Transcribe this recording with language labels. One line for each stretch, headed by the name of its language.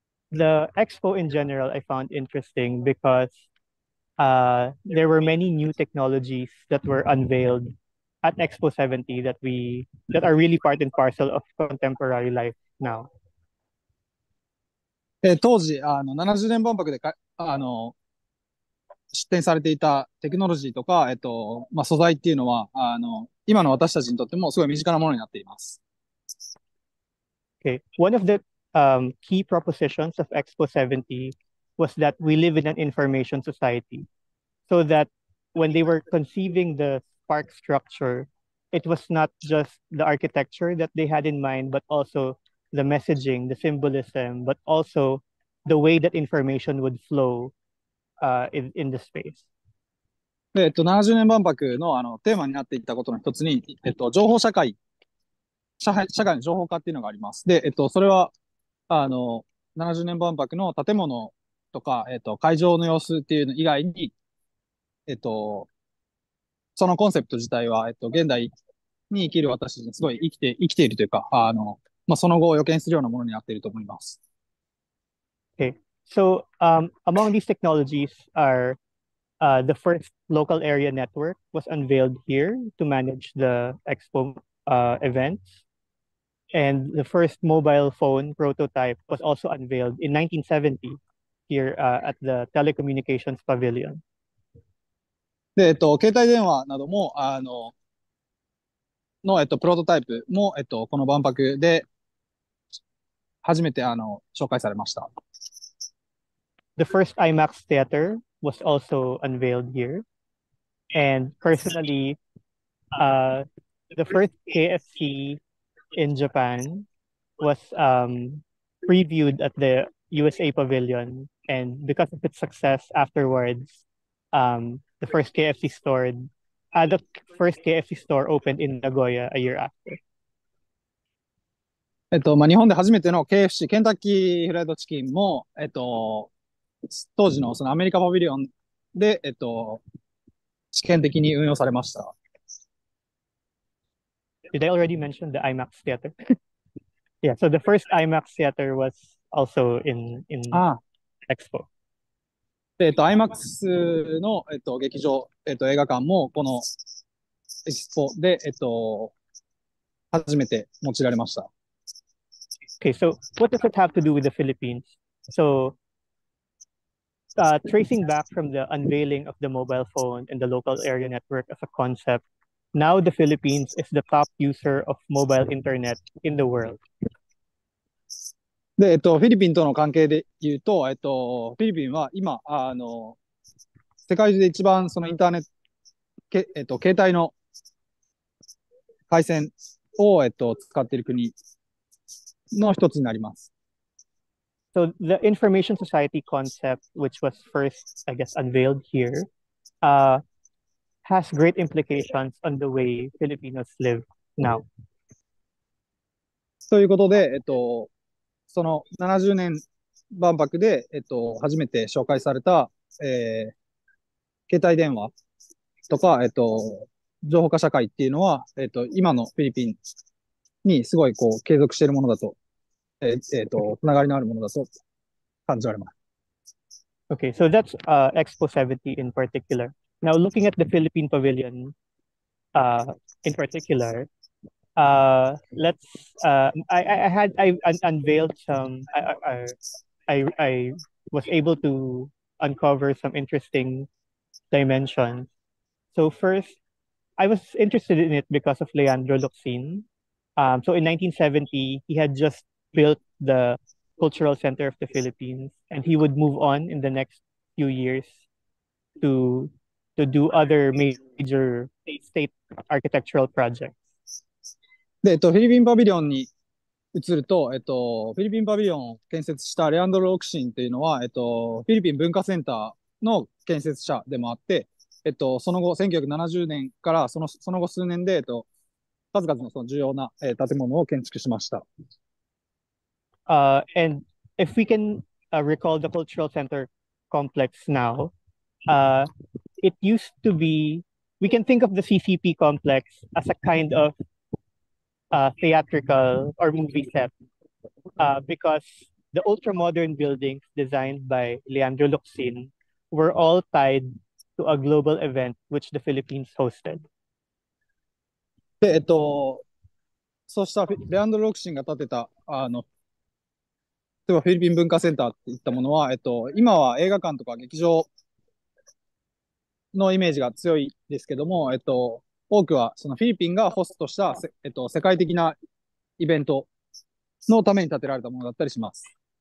English: the expo in general I found interesting because there were many new technologies that were unveiled at Expo 70 that are really part and parcel of contemporary life now.
Japanese: 当時あの70年万博でかあの出展されていたテクノロジーとか、まあ、素材っていうのはあの今の私たちにとってもすごい身近なものになっています。
English: Okay. One of the key propositions of Expo 70 was that we live in an information society. So that when they were conceiving the park structure, it was not just the architecture that they had in mind, but also the messaging, the symbolism, but also the way that information would flow in the space.
Japanese: 70年万博 の, あのテーマになっていたことの一つに、情報社会、社会の情報化っていうのがあります。で、それはあの70年万博の建物とか、会場の様子っていうの以外に、そのコンセプト自体は、現代に生きる私たちにすごい生きているというか、あのまあ、その後を予見するようなものになっていると思います。
English: Okay. So, among these technologies are, the first local area network was unveiled here to manage the expo, events. And the first mobile phone prototype was also unveiled in 1970 here, at the Telecommunications Pavilion.
Japanese: で、携帯電話なども、あの、の、プロトタイプも、この万博で、初めてあの紹介されました。
English: The first IMAX theater was also unveiled here. And personally, the first KFC in Japan was previewed at the USA Pavilion. And because of its success afterwards, the first KFC store opened in Nagoya a year after.
Japanese: まあ、日本で初めての KFC、ケンタッキーフライドチキンも、当時のそのアメリカパビリオンで、試験的に運用されました。
English: Did I already mention the IMAX theater? Yeah, so the first IMAX theater was also in Expo.
Japanese: IMAX の、劇場、映画館もこの Expo で、初めて用いられました。
English: Okay, so what does it have to do with the Philippines? So, tracing back from the unveiling of the mobile phone and the local area network as a concept, now the Philippines is the top user of mobile internet in the world.
Japanese: で、フィリピンとの関係で言うと、フィリピンは今、あの、世界中で一番そのインターネット、携帯の回線を、使っている国。の一つになります。
English: So the information society concept, which was first, I guess, unveiled here, has great implications on the way Filipinos live now.
Japanese: ということで、その70年万博で、初めて紹介された、携帯電話とか、情報化社会っていうのは、今のフィリピンにすごいこう継続しているものだと。つながりのあるものだと感じられます。
English: Okay, so that's Expo 70 in particular. Now, looking at the Philippine Pavilion in particular, I was able to uncover some interesting dimensions. So first, I was interested in it because of Leandro Locsin. So in 1970, he had just built the cultural center of the Philippines, and he would move on in the next few years to do other major state architectural projects.
Japanese: で、フィリピンパビリオンに移ると、フィリピンパビリオンを建設したレアンドロ・ロクシンというのは、フィリピン文化センターの建設者でもあって、その後1970年からその後数年で、数々のその重要な、建物を建築しました。
English: And if we can recall the cultural center complex now, it used to be, we can think of the CCP complex as a kind of theatrical or movie set because the ultra-modern buildings designed by Leandro Luxin were all tied to a global event which the Philippines hosted.
Japanese: で、そうしたレアンドロ・ロクシンが建てた、例えばフィリピン文化センターっていったものは、今は映画館とか劇場のイメージが強いですけども、多くはそのフィリピンがホストした、世界的なイベントのために建てられたものだったりします。